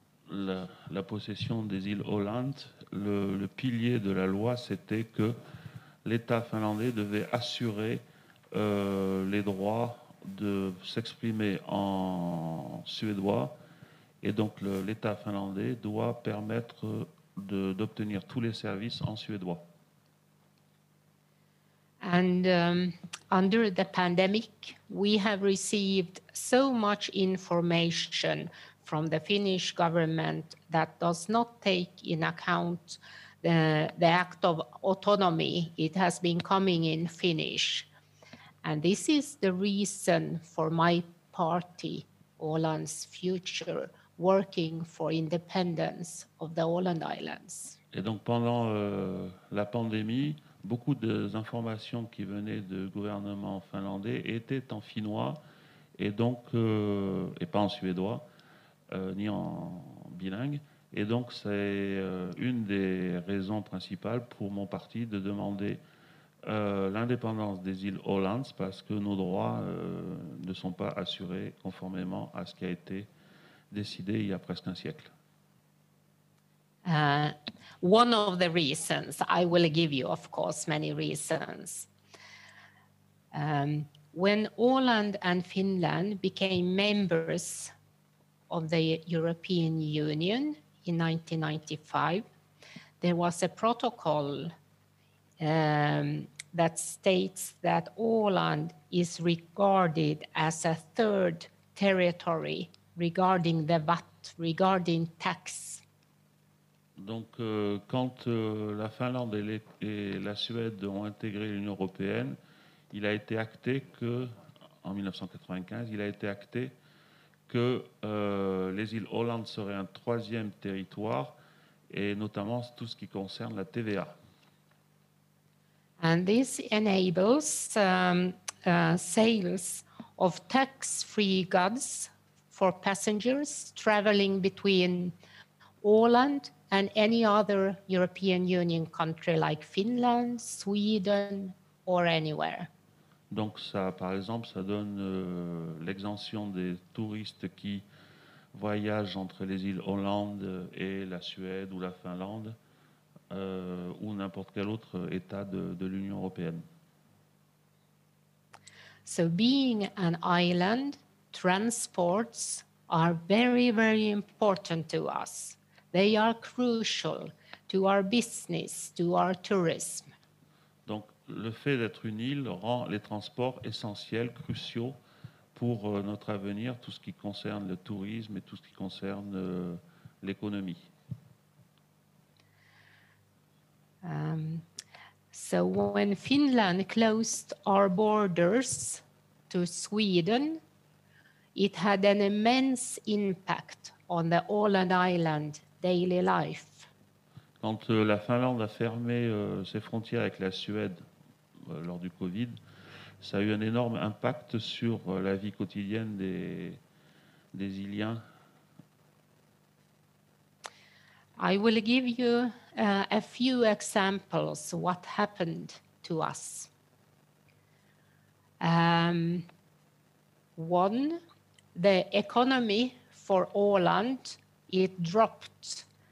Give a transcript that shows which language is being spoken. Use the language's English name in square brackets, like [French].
[French] la possession des îles Åland, le pilier de la loi, c'était que l'État finlandais devait assurer les droits de s'exprimer en suédois. Et donc, l'État finlandais doit permettre d'obtenir tous les services en suédois. [English] And under the pandemic, we have received so much information from the Finnish government that does not take in account the act of autonomy. It has been coming in Finnish. And this is the reason for my party, Åland's Future, working for independence of the Åland Islands. [French] Et donc pendant la pandémie, beaucoup des informations qui venaient du gouvernement finlandais étaient en finnois et donc et pas en suédois ni en bilingue. Et donc c'est une des raisons principales pour mon parti de demander l'indépendance des îles Åland, parce que nos droits ne sont pas assurés conformément à ce qui a été décidé il y a presque un siècle. [English] One of the reasons, I will give you, of course, many reasons. When Åland and Finland became members of the European Union in 1995, there was a protocol that states that Åland is regarded as a third territory regarding the VAT, regarding tax. [French] Donc, quand la Finlande et la Suède ont intégré l'Union européenne, il a été acté que, en 1995, il a été acté que les îles Åland seraient un troisième territoire, et notamment tout ce qui concerne la TVA. [English] And this enables sales of tax-free goods for passengers traveling between Åland and any other European Union country like Finland, Sweden, or anywhere. [French] Donc ça, par exemple, ça donne l'exemption des touristes qui voyagent entre les îles Åland et la Suède ou la Finlande ou n'importe quel autre État de l'Union européenne. [English] So being an island, transports are very, very important to us. They are crucial to our business, to our tourism. [French] Donc, le fait d'être une île rend les transports essentiels, cruciaux pour notre avenir, tout ce qui concerne le tourisme et tout ce qui concerne l'économie. [English] So, when Finland closed our borders to Sweden, it had an immense impact on the Åland Island daily life. [French] Quand la Finlande a fermé ses frontières avec la Suède lors du Covid, ça a eu un énorme impact sur la vie quotidienne des Iliens. [English] I will give you a few examples of what happened to us. One, the economy for Åland, it dropped.